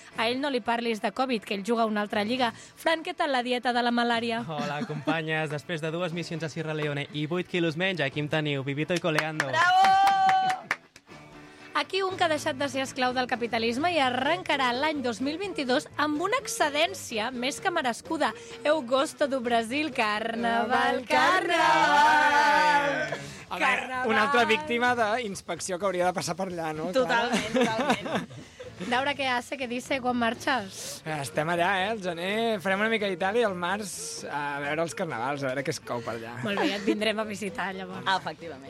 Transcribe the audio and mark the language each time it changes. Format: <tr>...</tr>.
<ca>A ell no li parlis de Covid, que ell juga a una altra lliga. Fran, què tal la dieta de la malària? Hola, companyes! Després de dues missions a Sierra Leone i 8 quilos menys, aquí em teniu,</ca> <es>vivito y coleando.</es> <ca>Bravo! Aquí un que ha deixat de ser esclau del capitalisme i arrencarà l'any 2022 amb una excedència més que merescuda.</ca> <pt>Eu gosto do Brasil, carnaval, carnaval!</pt> <ca>Carnaval! Una altra víctima d'inspecció que hauria de passar per allà, no? Totalment, totalment. Laura, què hace, què dice, quan marxes? Estem allà, eh? El gener farem una mica d'Itàlia i el març a veure els carnavals, a veure què es cou per allà. Molt bé, ja et vindrem a visitar, llavors. Ah, efectivament.</ca>